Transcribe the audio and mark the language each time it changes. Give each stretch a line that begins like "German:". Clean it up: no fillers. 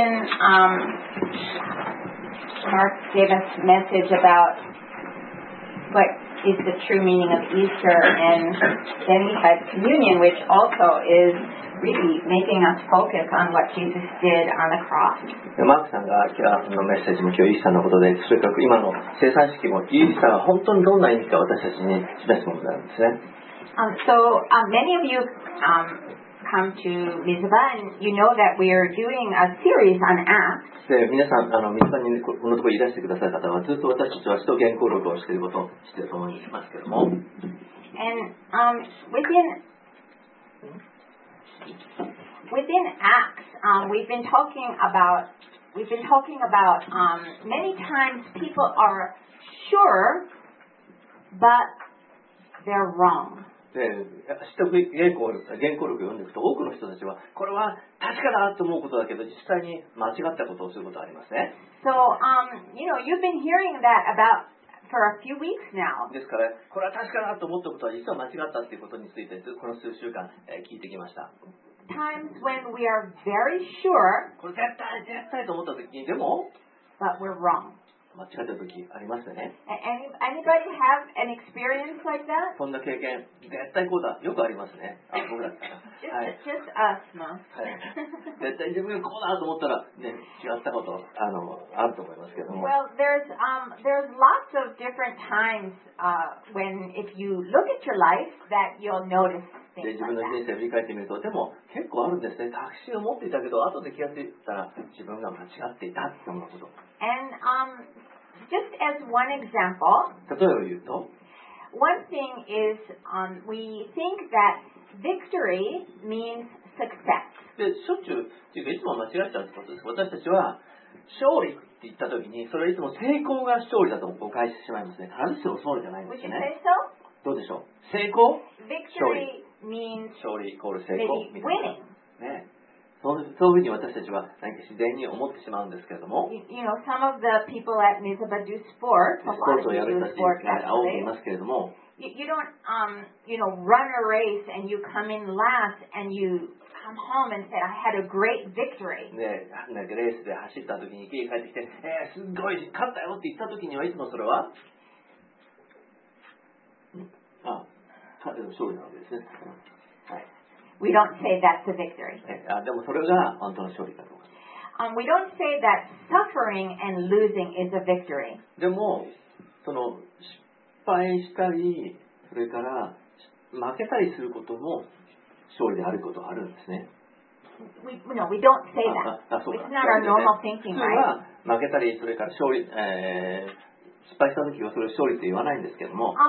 English: Mark gave us a message about what is the true meaning of Easter, and then we had communion, which also is really making us focus on what Jesus did on the cross.
Japanese: Mark さんが今日のメッセージも今日イースターのことで、とにかく今の聖餐式もイースターが本当にどんな意味か私たちに示すものなんですね。
English: Many of you come to Mizpah and you know that we are doing a series on Acts.
Japanese: で、皆さん、ミズバにこのところいらしてくださった方は、ずっと私たちは使徒言行録をしていることを知っていると思いますけども。
English: And within Acts, we've been talking about many times people are sure, but they're wrong.
Japanese: 原稿録を読んでいくと、多くの人たちはこれは確かだと思うことだけど、実際に間違ったことをすることはありますね。
English: So, you know, you've been hearing that about for a few weeks now.
Japanese: ですから、これは確かだと思ったことは実は間違ったということについて、この数週間、聞いてきました。
English: Times when we are very sure,
Japanese: これ絶対、絶対と思った時に、でも、
English: but we're wrong.
Japanese: 間違った時ありますよね。
English: Anybody have an experience like that?
Japanese: こんな経験、絶対こうだ。よくありますね。あ、僕だった。はい。
English: Just us, ma.
Japanese: 絶対自分がこうだと思ったら、ね、違ったこと、あると思いますけども。
English: Well, there's lots of different times, when if you look at your life, that you'll notice things.
Japanese: で、自分の人生を振り返ってみると、でも結構あるんですね。確信を持っていたけど、後で気がついたら自分が間違っていたって思うこと。
English: And just as one example,
Japanese: 例えば言うと、
English: one thing is we think that victory means success.
Japanese: で、しょっちゅう、というかいつも間違っちゃうってことです。私たちは勝利って言ったときに、それはいつも成功が勝利だと誤解してしまいますね。必ずしもそうじゃないんですね。
English: Would you say so?
Japanese: どうでしょう。成功、
English: victory means
Japanese: 勝利イコール成功みたいな。
English: Winning.
Japanese: ね。そういうふうに私たちは何か自然に思ってしまうんですけれども、
English: you know, some of the people at Mizpah do sport.
Japanese: スポーツをやる人たちが多くいますけれども、
English: you don't, you know, run a race and you come in last and you come home and say, I had a great victory.
Japanese: で、なんかレースで走った時に家に帰ってきて、すごい勝ったよって言った時にはいつもそれは、あ、勝ったの勝利なわけですね。
English: We don't say that's a victory.
Japanese: でもそれが本当の勝利だと思います。
English: We don't say that suffering and losing is a victory.
Japanese: でも、その失敗したり、それから負けたりすることも勝利であることがあるんですね。
English: We don't say that. It's not our normal thinking, right?
Japanese: 普通は負けたり、それから勝利、失敗した時はそれを勝利と言わないんですけども。